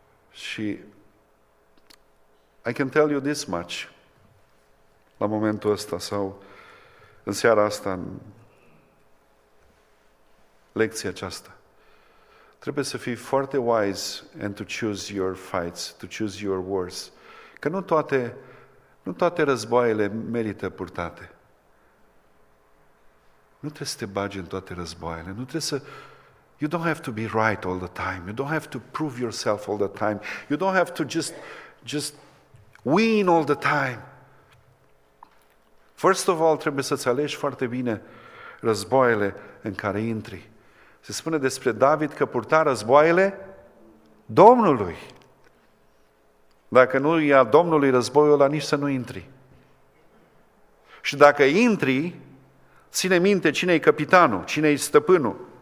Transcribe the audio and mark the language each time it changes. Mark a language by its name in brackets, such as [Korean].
[Romanian] Și [English] I can tell you this much [Romanian] la momentul ăsta sau în seara asta, în lecția aceasta. Trebuie să fii foarte [English] wise and to choose your fights, to choose your wars. [Romanian] Că nu toate războaiele merită purtate. Nu trebuie să te bagi în toate războaiele. Nu trebuie să... [English] You don't have to be right all the time. You don't have to prove yourself all the time. You don't have to just win all the time. First of all, [Romanian] trebuie să-ți alegi foarte bine războaiele în care intri. Se spune despre David că purta războaiele Domnului. Dacă nu ia Domnului războiul ăla, nici să nu intri. Și dacă intri, ține minte cine e capitanul, cine e stăpânul.